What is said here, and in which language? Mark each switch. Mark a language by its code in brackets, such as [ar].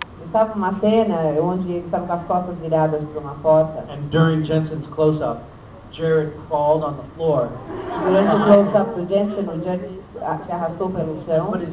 [pt] Estava uma cena onde eles estavam com as costas viradas para uma porta. [en] And during Jensen's close-up, Jared crawled on the floor. [pt] Durante o close-up do Jensen, o Jared se arrastou pelo chão.